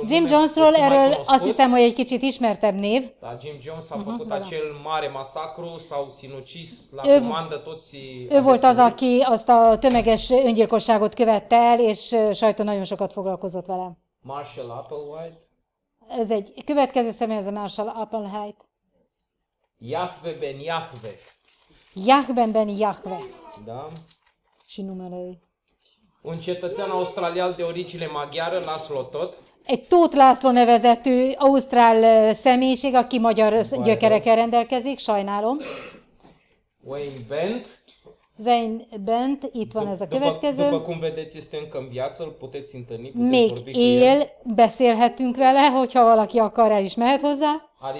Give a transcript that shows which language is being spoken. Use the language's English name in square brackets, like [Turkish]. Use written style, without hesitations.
[Hungarian] Jim Jonesról erről azt hiszem, hogy egy kicsit ismertebb név. [Romanian] Da, Jim Jones a făcut acel mare masacru, s-au sinucis la comandă toți. [Hungarian] Ő volt az, aki azt a tömeges öngyilkosságot követte el, és sajtó nagyon sokat foglalkozott vele. Marshall Applewhite. Ez egy következő személy, ez a Marshall Applewhite. Yahve ben Yahve. Yahben ben Yahve. [Romanian] Da. Și numele lui. Un cetățean australian de origine maghiară, László Tóth. [Hungarian] Egy Tóth László nevezetű ausztrál személyiség, aki magyar gyökerekkel rendelkezik, sajnálom. Wayne Bent, itt van ez a következő. [Romanian] După cum vedeți, este încă în viață, îl puteți întâlni, puteți [Hungarian] még [Romanian] vorbi [Hungarian] él, beszélhetünk vele, hogyha valaki akar, el is mehet hozzá.